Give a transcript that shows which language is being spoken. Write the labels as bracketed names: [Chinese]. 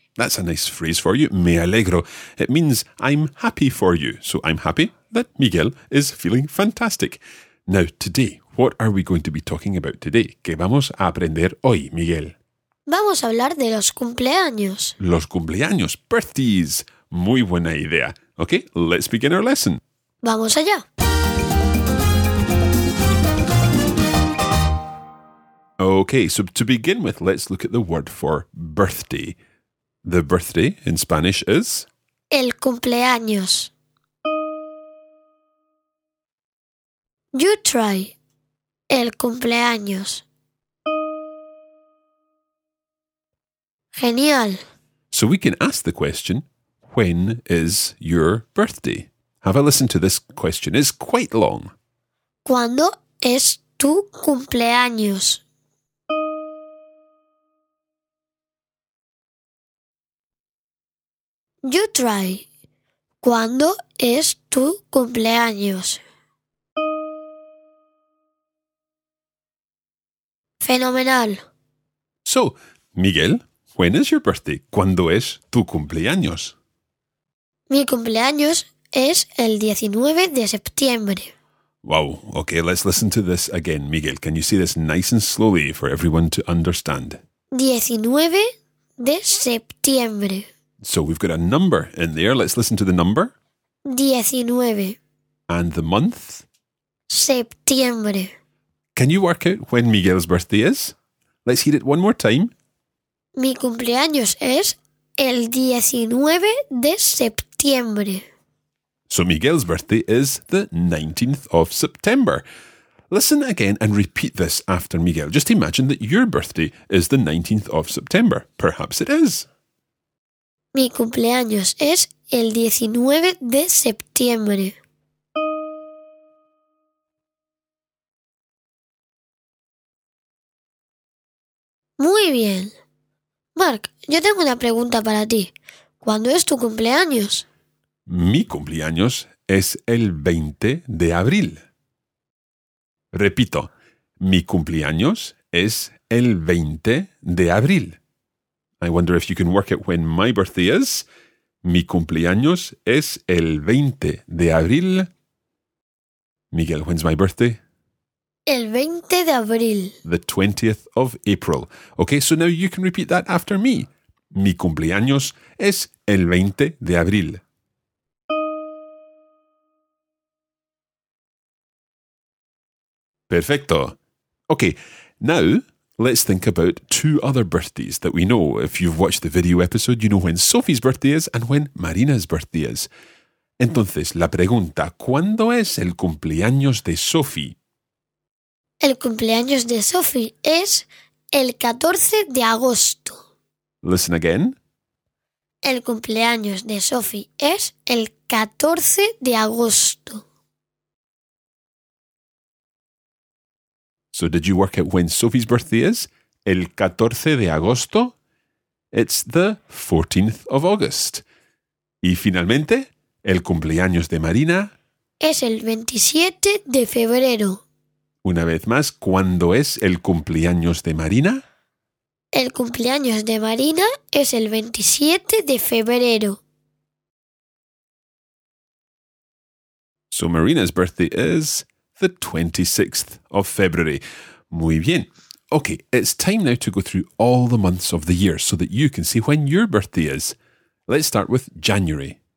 [English] That's a nice phrase for you. [Spanish] Me alegro. [English] It means I'm happy for you. So I'm happy that Miguel is feeling fantastic. Now, today, what are we going to be talking about today? [Spanish] ¿Qué vamos a aprender hoy, Miguel? Vamos a hablar de los cumpleaños. Los cumpleaños. Birthdays. Muy buena idea. [English] Okay, let's begin our lesson. [Spanish] ¡Vamos allá! [English] Okay, so to begin with, let's look at the word for birthday. The birthday in Spanish is... [Spanish] El cumpleaños. [English] You try. [Spanish] El cumpleaños. Genial. [English] So we can ask the question... When is your birthday? Have a listen to this question. It's quite long. [Spanish] ¿Cuándo es tu cumpleaños? [English] You try. [Spanish] ¿Cuándo es tu cumpleaños? Fenomenal. [English] So, Miguel, when is your birthday? [Spanish] ¿Cuándo es tu cumpleaños? Mi cumpleaños es el 19 de septiembre. [English] Wow. Okay, let's listen to this again, Miguel. Can you say this nice and slowly for everyone to understand? [Spanish] 19 de septiembre. [English] So we've got a number in there. Let's listen to the number. [Spanish] 19. [English] And the month? [Spanish] Septiembre. [English] Can you work out when Miguel's birthday is? Let's hear it one more time. [Spanish] Mi cumpleaños es... El 19 de septiembre. [English] So Miguel's birthday is the 19th of September. Listen again and repeat this after Miguel. Just imagine that your birthday is the 19th of September. Perhaps it is. [Spanish] Mi cumpleaños es el 19 de septiembre. Muy bien. Mark, yo tengo una pregunta para ti. ¿Cuándo es tu cumpleaños? Mi cumpleaños es el 20 de abril. Repito, mi cumpleaños es el 20 de abril. [English] I wonder if you can work it when my birthday is. [Spanish] Mi cumpleaños es el 20 de abril. [English] Miguel, when's my birthday? [Spanish] El 20 de abril. [English] The 20th of April. Okay, so now you can repeat that after me. [Spanish] Mi cumpleaños es el 20 de abril. Perfecto. [English] Okay, now let's think about two other birthdays that we know. If you've watched the video episode, you know when Sophie's birthday is and when Marina's birthday is. [Spanish] Entonces, la pregunta, ¿cuándo es el cumpleaños de Sophie? El cumpleaños de Sophie es el 14 de agosto. [English] Listen again. [Spanish] El cumpleaños de Sophie es el 14 de agosto. [English] So did you work out when Sophie's birthday is? [Spanish] El 14 de agosto. [English] It's the 14th of August. [Spanish] Y finalmente, el cumpleaños de Marina. Es el 27 de febrero. Una vez más, ¿cuándo es el cumpleaños de Marina? El cumpleaños de Marina es el 27 de febrero. [English] So Marina's birthday is the 26th of February. [Spanish] Muy bien. [English] Okay, it's time now to go through all the months of the year so that you can see when your birthday is. Let's start with January.